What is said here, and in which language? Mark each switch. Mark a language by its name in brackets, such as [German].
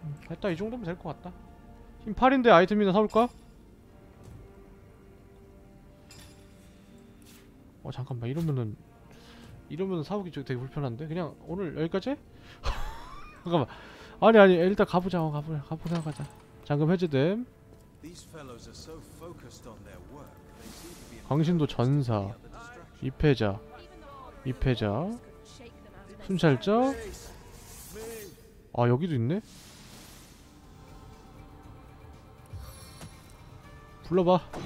[Korean] 일단 이 정도면 될 것 같다. 힘 8인데 아이템이나 사올까? 잠깐만 이러면은 사오기 되게 불편한데? 그냥 오늘 여기까지? 잠깐만 아니 일단 가보자. 가보자. 잠금 해제됨. [English] These fellows are so focused on their work. [Korean] 광신도 전사, 입회자, 입회자, 순찰적. 아 여기도 있네. 불러봐.